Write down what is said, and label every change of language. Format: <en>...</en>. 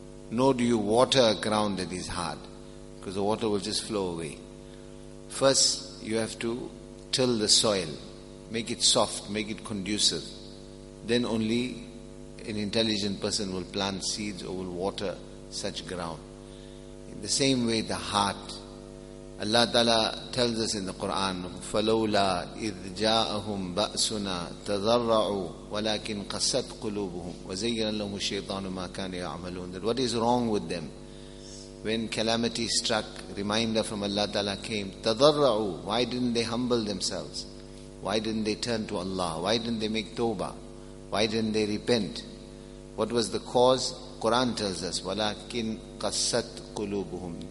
<en>Nor do you water a ground that is hard, because the water will just flow away. First, you have to till the soil, make it soft, make it conducive. Then only an intelligent person will plant seeds or will water such ground. In the same way, the heart. Allah Ta'ala tells us in the Quran,</en> <ar>فَلَوْلَا إِذْ جَاءَهُمْ بَأْسُنَا تَذَرَّعُوا وَلَكِنْ قَسَتْ قُلُوبُهُمْ وَزَيِّنَ لَهُمُ الشَّيْطَانُ مَا كَانَ يَعْمَلُونَ.</ar> <en>That what is wrong with them? When calamity struck, reminder from Allah Ta'ala came, تَذَرَّعُوا. Why didn't they humble themselves? Why didn't they turn to Allah? Why didn't they make tawbah? Why didn't they repent? What was the cause? Quran tells us,</en> <ar>وَلَكِنْ قَسَّتْ قُلُوبُهُمْ.</ar>